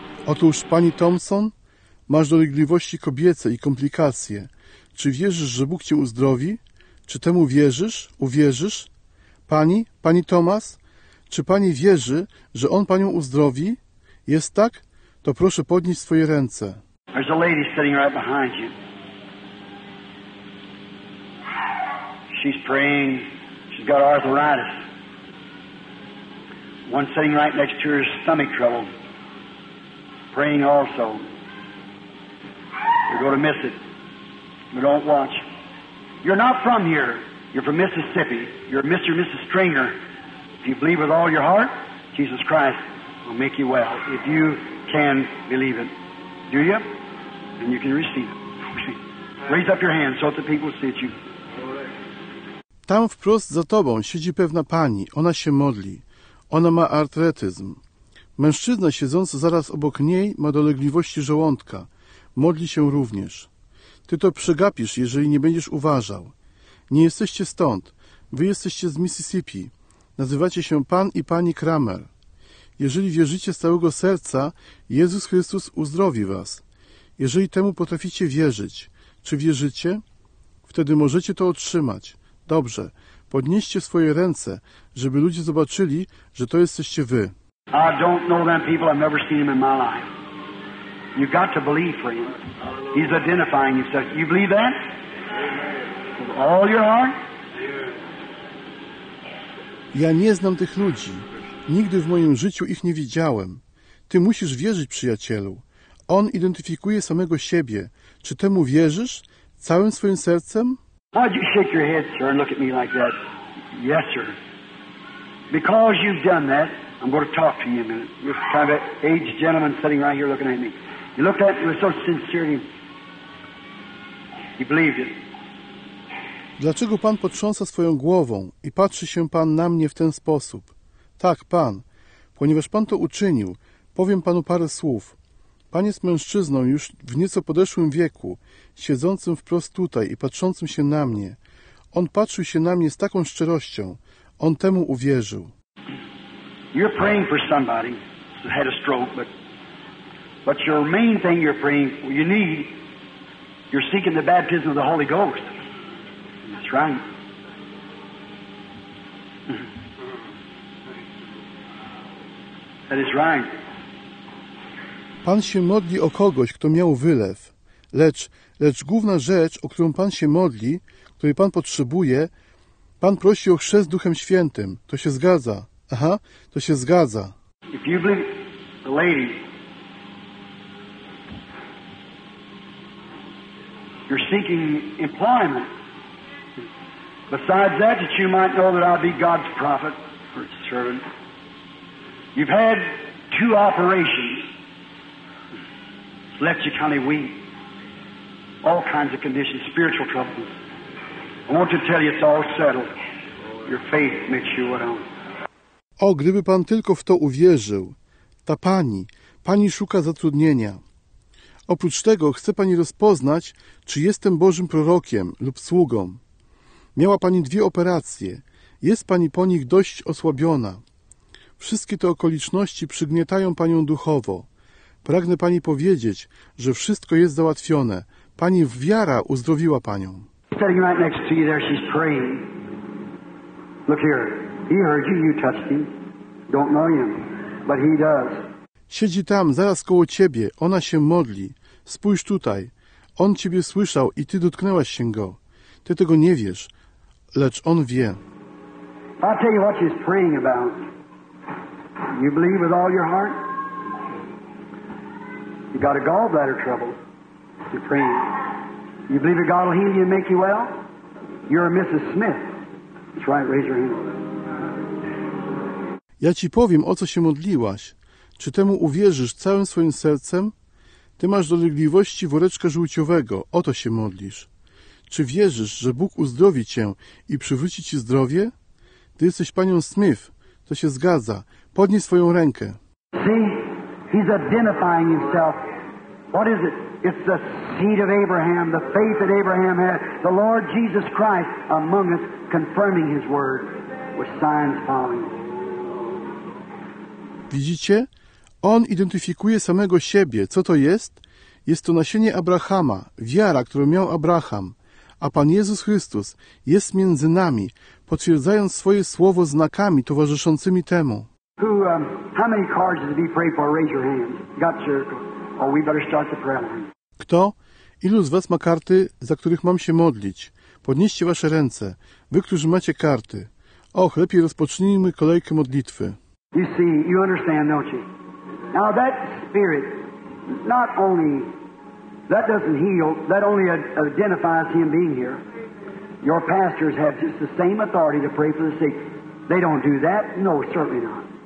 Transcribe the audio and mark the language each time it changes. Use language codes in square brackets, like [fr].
[pl] Otóż, Pani Thompson, masz dolegliwości kobiece i komplikacje. Czy wierzysz, że Bóg Cię uzdrowi? Czy temu wierzysz? Uwierzysz? Pani? Pani Thomas? Czy pani wierzy, że on panią uzdrowi? Jest tak? To proszę podnieść swoje ręce. [en] There's a lady sitting right behind you. She's praying. She's got arthritis. One sitting right next to her is stomach trouble. Praying also. You're going to miss it. You don't watch. You're not from here. You're from Mississippi. You're Mr. and Mrs. Stringer. If you believe with all your heart, Jesus Christ will make you well. If you can believe it, do you? Then you can receive it. Raise up your hand so that the people see you. [pl] tam wprost za tobą siedzi pewna pani, ona się modli. Ona ma artretyzm. Mężczyzna siedzący zaraz obok niej ma dolegliwości żołądka. Modli się również. Ty to przegapisz, jeżeli nie będziesz uważał. Nie jesteście stąd. Wy jesteście z Mississippi. Nazywacie się pan i pani Kramer. Jeżeli wierzycie z całego serca, Jezus Chrystus uzdrowi was. Jeżeli temu potraficie wierzyć, czy wierzycie? Wtedy możecie to otrzymać. Dobrze. Podnieście swoje ręce, żeby ludzie zobaczyli, że to jesteście wy. [en] I don't know them people. I've never seen them in my life. You've got to believe for him. He's identifying himself. You believe that? With all your heart? [pl] Ja nie znam tych ludzi. Nigdy w moim życiu ich nie widziałem. Ty musisz wierzyć, przyjacielu. On identyfikuje samego siebie. Czy temu wierzysz? Całym swoim sercem? [en] Why'd you shake your head, sir, and look at me like that? Yes, sir. Because you've done that, I'm going to talk to you a minute. You're kind of an aged gentleman sitting right here looking at me. You looked at me with so sincerity. You believed it. [pl] Dlaczego pan potrząsa swoją głową i patrzy się pan na mnie w ten sposób? Tak, pan. Ponieważ pan to uczynił, powiem panu parę słów. Pan jest mężczyzną już w nieco podeszłym wieku, siedzącym wprost tutaj i patrzącym się na mnie. On patrzył się na mnie z taką szczerością. On temu uwierzył. [en] You're praying for somebody who had a stroke, but your main thing you're praying, you need, you're seeking the baptism of the Holy Ghost. That's right. That is right. [pl] Pan się modli o kogoś, kto miał wylew. Lecz główna rzecz, o którą pan się modli, której pan potrzebuje, pan prosi o chrzest Duchem Świętym. To się zgadza. Aha, to się zgadza. [en] If you believe the lady, you're seeking employment. Besides that, that you might know that I'd be God's prophet or servant. You've had two operations. Left you kind of weak. All kinds of conditions, spiritual troubles. I want to tell you it's all settled. Your faith makes you what I want. [pl] O, gdyby pan tylko w to uwierzył. Ta pani szuka zatrudnienia. Oprócz tego chce pani rozpoznać, czy jestem Bożym prorokiem lub sługą. Miała pani dwie operacje. Jest pani po nich dość osłabiona. Wszystkie te okoliczności przygniatają panią duchowo. Pragnę pani powiedzieć, że wszystko jest załatwione. Pani wiara uzdrowiła panią. [en] Sitting right next to you there, she's praying. Look here. He heard you, you touched him. Don't know him, but he does. [pl] Siedzi tam, zaraz koło ciebie. Ona się modli. Spójrz tutaj. On ciebie słyszał i ty dotknęłaś się go. Ty tego nie wiesz, lecz on wie. [en] I'll tell you what she's praying about. You believe with all your heart? You got a gallbladder trouble. You're praying. You believe that God will heal you and make you well? You're a Mrs. Smith. That's right, raise your hand. [pl] Ja ci powiem, o co się modliłaś. Czy temu uwierzysz całym swoim sercem? Ty masz dolegliwości woreczka żółciowego. O to się modlisz. Czy wierzysz, że Bóg uzdrowi cię i przywróci ci zdrowie? Ty jesteś panią Smith. To się zgadza. Podnieś swoją rękę. [en] See? He's identifying himself. What is it? It's the seed of Abraham, the faith that Abraham had, the Lord Jesus Christ among us, confirming his word with signs following. [pl] Widzicie? On identyfikuje samego siebie. Co to jest? Jest to nasienie Abrahama, wiara, którą miał Abraham. A Pan Jezus Chrystus jest między nami, potwierdzając swoje słowo znakami towarzyszącymi temu. [en] How many cards did we pray for? Raise your hand. Got your... Oh, we better start the prayer line. [pl] Kto? Ilu z was ma karty, za których mam się modlić? Podnieście wasze ręce. Wy, którzy macie karty. Och, lepiej rozpocznijmy kolejkę modlitwy. [en] You see, you understand, don't you? Now that spirit, not only... That doesn't heal, that only identifies him being here. Your pastors have just the same authority to pray for the sick. They don't do that? No, certainly not.